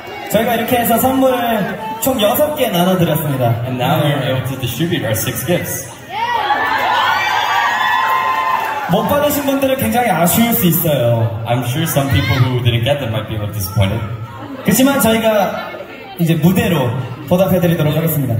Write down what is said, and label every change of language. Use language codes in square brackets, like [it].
[ko] 저희가 이렇게 해서 선물을 총 6개 나눠드렸습니다. [en] And now we are able to distribute our 6 gifts. [ko] 못 받으신 분들은 굉장히 아쉬울 수 있어요. [en] I'm sure some people who didn't get them might be a little disappointed. [ko] 그렇지만 저희가 이제 무대로 보답해드리도록 하겠습니다.